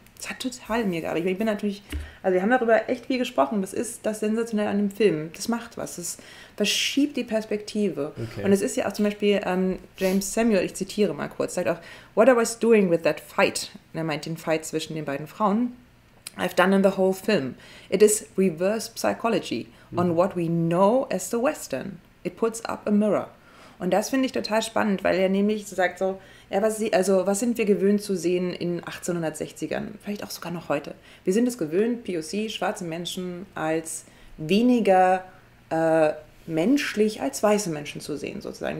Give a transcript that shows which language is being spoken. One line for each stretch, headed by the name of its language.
German: Das hat total mir gearbeitet. Ich bin natürlich, also wir haben darüber echt viel gesprochen. Das ist das Sensationelle an dem Film. Das macht was. Das verschiebt die Perspektive. Und Okay. es ist ja auch zum Beispiel James Samuel, ich zitiere mal kurz, sagt auch,
English: What I was doing with that fight,
German: und er meint den Fight zwischen den beiden Frauen,
English: I've done in the whole film. It is reverse psychology on what we know as the Western. It puts up a mirror.
German: Und das finde ich total spannend, weil er nämlich sagt so, ja, was sind wir gewöhnt zu sehen in 1860ern? Vielleicht auch sogar noch heute. Wir sind es gewöhnt, POC, schwarze Menschen, als weniger menschlich als weiße Menschen zu sehen, sozusagen.